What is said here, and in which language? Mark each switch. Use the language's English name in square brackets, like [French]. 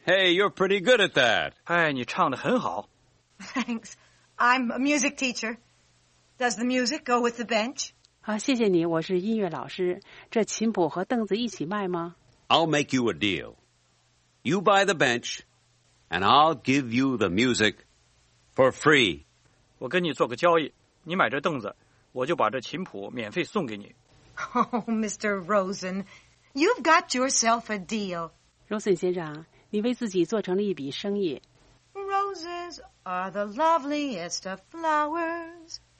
[English] Hey, you're pretty good at that. [Chinese] 哎，你唱得很好。 [English] Thanks. I'm a music teacher. Does the music go with the bench? [Chinese] 好，谢谢你，我是音乐老师。这琴谱和凳子一起卖吗？ [English] I'll make you a deal. You buy the bench, and I'll give you the music for free. [Chinese] 我跟你做个交易，你买这凳子，我就把这琴谱免费送给你。 [English] Oh, Mr. Rosen, you've got yourself a deal. [Chinese] Rosen 先生，你为自己做成了一笔生意。 [English] Roses are the loveliest of flowers.